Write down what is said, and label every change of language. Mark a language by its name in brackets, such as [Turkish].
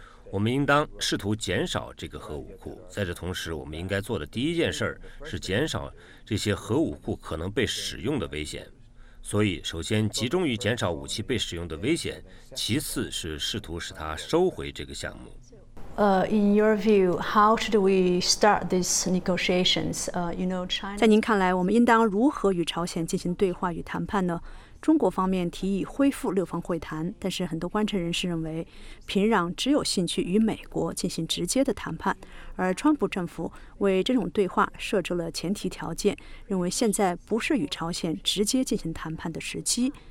[Chinese] 我们应当试图减少这个核武库。在这同时，我们应该做的第一件事是减少这些核武库可能被使用的危险。所以，首先集中于减少武器被使用的危险，其次是试图使它收回这个项目。 [English] In your view, how should we start these negotiations? China. [Chinese] 在您看来，我们应当如何与朝鲜进行对话与谈判呢？中国方面提议恢复六方会谈，但是很多观察人士认为，平壤只有兴趣与美国进行直接的谈判，而川普政府为这种对话设置了前提条件，认为现在不是与朝鲜直接进行谈判的时机。